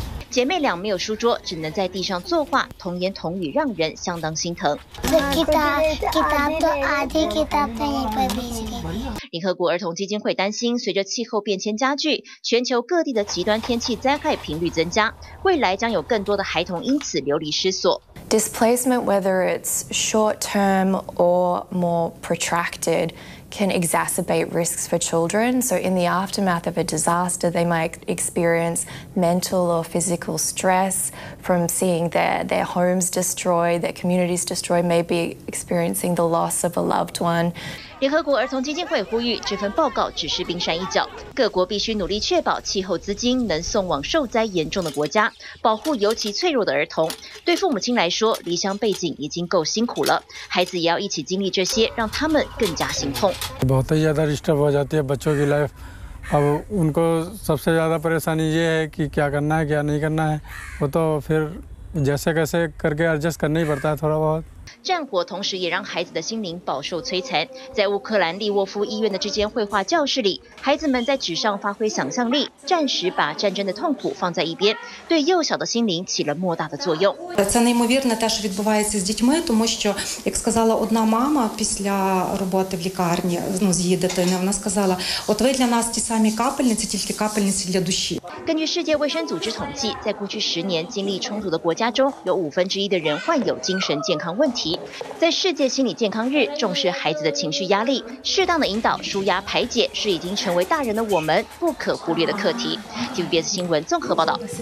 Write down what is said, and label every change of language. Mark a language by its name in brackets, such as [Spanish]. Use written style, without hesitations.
[Chinese] 姐妹俩没有书桌，只能在地上作画，童言童语让人相当心疼。联合国儿童基金会担心，随着气候变迁加剧，全球各地的极端天气灾害频率增加，未来将有更多的孩童因此流离失所。 [English] Displacement, whether it's short term or more protracted. Can exacerbate risks for children. So, in the aftermath of a disaster, they might experience mental or physical stress from seeing their homes destroyed, their communities destroyed, maybe experiencing the loss of a loved one. [Chinese] 联合国儿童基金会呼吁，这份报告只是冰山一角，各国必须努力确保气候资金能送往受灾严重的国家，保护尤其脆弱的儿童。对父母亲来说，离乡背井已经够辛苦了，孩子也要一起经历这些，让他们更加心痛。 [Hindi] बहुत ही ज़्यादा disturb हो जाती है बच्चों की life, अब उनको सबसे ज़्यादा परेशानी ये है कि क्या करना है क्या नहीं करना है, वो तो फिर जैसे कैसे करके adjust करना ही पड़ता है थोड़ा बहुत。 [Chinese] 战火同时也让孩子的心灵饱受摧残。在乌克兰利沃夫医院的这间绘画教室里，孩子们在纸上发挥想象力，暂时把战争的痛苦放在一边，对幼小的心灵起了莫大的作用。 [Ukrainian] Це неймовірно те, що відбувається з дітьми, тому що, як сказала одна мама після роботи в лікарні, ну, з її дитини, вона сказала: "От ви для нас ті самі капельниці, тільки капельниці для душі." [Chinese] 根据世界卫生组织统计，在过去十年经历冲突的国家中，有五分之一的人患有精神健康问题。在世界心理健康日，重视孩子的情绪压力，适当的引导、舒压、排解，是已经成为大人的我们不可忽略的课题。TVBS 新闻综合报道。